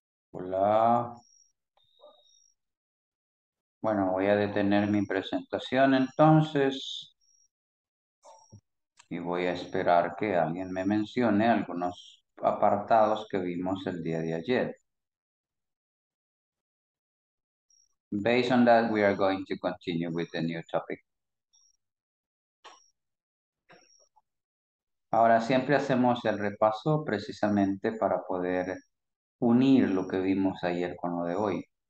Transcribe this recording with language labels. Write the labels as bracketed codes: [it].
[es] Hola. Bueno, voy a detener mi presentación entonces y voy a esperar que alguien me mencione algunos apartados que vimos el día de ayer. [en] Based on that, we are going to continue with the new topic. [es] Ahora siempre hacemos el repaso precisamente para poder unir lo que vimos ayer con lo de hoy.